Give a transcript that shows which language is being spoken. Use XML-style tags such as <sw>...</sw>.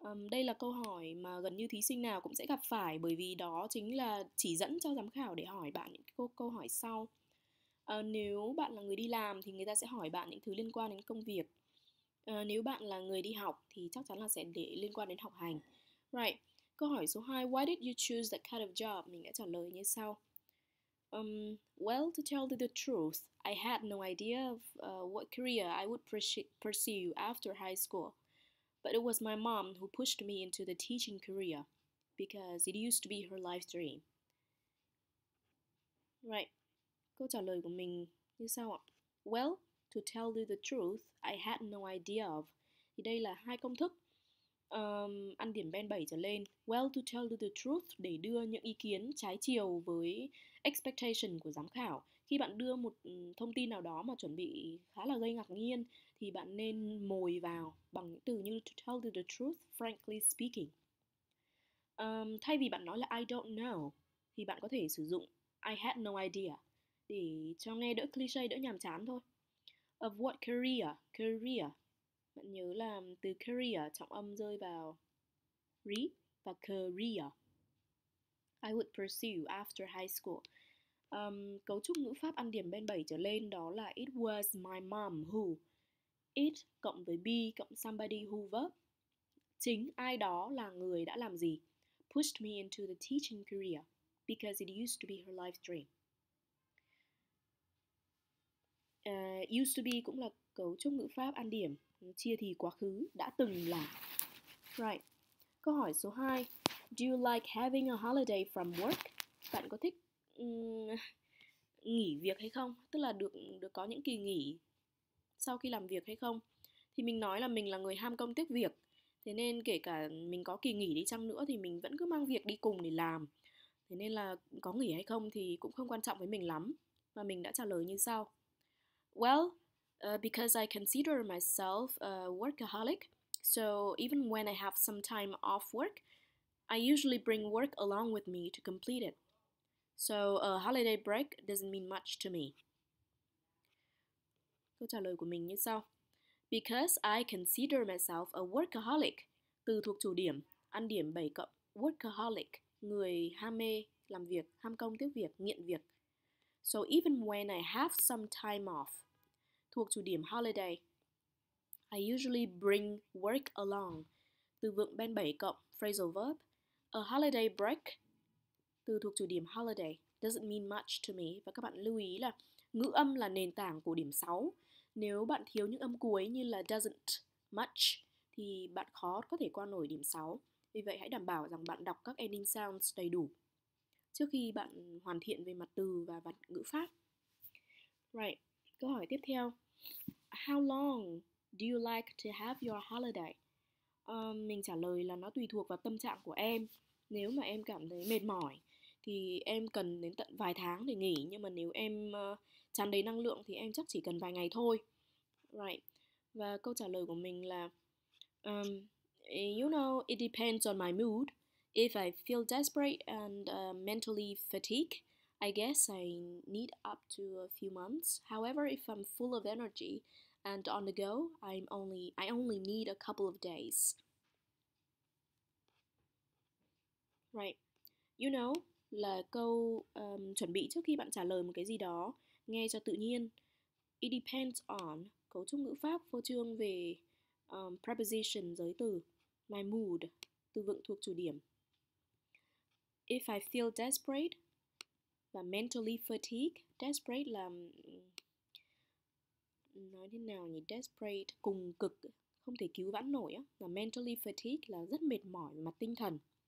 <vi>Đây là câu hỏi mà gần như thí sinh nào cũng sẽ gặp phải bởi vì đó chính là chỉ dẫn cho giám khảo để hỏi bạn những câu hỏi sau. Nếu bạn là người đi làm thì người ta sẽ hỏi bạn những thứ liên quan đến công việc. Nếu bạn là người đi học thì chắc chắn là sẽ để liên quan đến học hành.</vi> <en>Right.</en> <vi>Câu hỏi số 2,</vi> <en>why did you choose that kind of job?</en> <vi>Mình đã trả lời như sau.</vi> <en>Well, to tell you the truth, I had no idea of what career I would pursue after high school. But it was my mom who pushed me into the teaching career because it used to be her life dream. Right.</en> <vi>Câu trả lời của mình như sau ạ.</vi> <en>Well, to tell you the truth, I had no idea of.</en> <vi>Thì đây là hai công thức ăn điểm Ben 7 trở lên.</vi> <en>Well, to tell you the truth,</en> <vi>để đưa những ý kiến trái chiều với expectation của giám khảo. Khi bạn đưa một thông tin nào đó mà chuẩn bị khá là gây ngạc nhiên, thì bạn nên mồi vào bằng những từ như</vi> <en>to tell you the truth, frankly speaking.</en> <vi>Thay vì bạn nói là</vi> <en>I don't know,</en> <vi>thì bạn có thể sử dụng</vi> <en>I had no idea</en> <vi>để cho nghe đỡ cliché, đỡ nhàm chán thôi.</vi> <en>Of what career? Career.</en> <vi>Bạn nhớ là từ career trọng âm rơi vào re và career.</vi> <en>I would pursue after high school.</en> <vi>Cấu trúc ngữ pháp ăn điểm Ben 7 trở lên đó là</vi> <en>it was my mom who.</en> <vi>It cộng với be cộng somebody who verb. Chính ai đó là người đã làm gì?</vi> <en>Pushed me into the teaching career because it used to be her life dream. Used to be</en> <vi>cũng là cấu trúc ngữ pháp ăn điểm, chia thì quá khứ, đã từng là.</vi> <en>Right.</en> <vi>Câu hỏi số 2.</vi> <en>Do you like having a holiday from work?</en> <vi>Bạn có thích nghỉ việc hay không? Tức là được được có những kỳ nghỉ sau khi làm việc hay không? Thì mình nói là mình là người ham công tiếc việc. Thế nên kể cả mình có kỳ nghỉ đi chăng nữa thì mình vẫn cứ mang việc đi cùng để làm. Thế nên là có nghỉ hay không thì cũng không quan trọng với mình lắm. Và mình đã trả lời như sau.</vi> <en>Well, because I consider myself a workaholic, so even when I have some time off work, I usually bring work along with me to complete it. So a holiday break doesn't mean much to me.</en> <vi>Câu trả lời của mình như sau.</vi> <en>Because I consider myself a workaholic,</en> <vi>từ thuộc chủ điểm, ăn điểm 7 cộng, workaholic, người ham mê làm việc, ham công tiếc việc, nghiện việc.</vi> <en>So even when I have some time off,</en> <vi>thuộc chủ điểm holiday,</vi> <en>I usually bring work along,</en> <vi>từ vựng Ben 7 cộng,</vi> <en>phrasal verb. A holiday break,</en> <vi>từ thuộc chủ điểm holiday,</vi> <en>doesn't mean much to me.</en> <vi>Và các bạn lưu ý là ngữ âm là nền tảng của điểm 6. Nếu bạn thiếu những âm cuối như là doesn't, much, thì bạn khó có thể qua nổi điểm 6. Vì vậy hãy đảm bảo rằng bạn đọc các ending sounds đầy đủ trước khi bạn hoàn thiện về mặt từ và mặt ngữ pháp.</vi> <en>Right,</en> <vi>câu hỏi tiếp theo.</vi> <en>How long do you like to have your holiday?</en> <vi>Mình trả lời là nó tùy thuộc vào tâm trạng của em. Nếu mà em cảm thấy mệt mỏi thì em cần đến tận vài tháng để nghỉ. Nhưng mà nếu em tràn đầy năng lượng thì em chắc chỉ cần vài ngày thôi.</vi> <en>Right.</en> <vi>Và câu trả lời của mình là</vi> <en>you know, it depends on my mood. If I feel desperate and mentally fatigued, I guess I need up to a few months. However, if I'm full of energy and on the go, I only need a couple of days. Right. You know,</en> <vi>là câu chuẩn bị trước khi bạn trả lời một cái gì đó, nghe cho tự nhiên.</vi> <en>It depends on,</en> <vi>cấu trúc ngữ pháp phô trương về preposition, giới từ.</vi> <en>My mood,</en> <vi>từ vựng thuộc chủ điểm.</vi> <en>If I feel desperate,</en> <vi>và</vi> <en>mentally fatigued,</en> <vi>desperate là, nói thế nào nhỉ, desperate, cùng cực, không thể cứu vãn nổi á, và mentally fatigued là rất mệt mỏi về mặt tinh thần.</vi>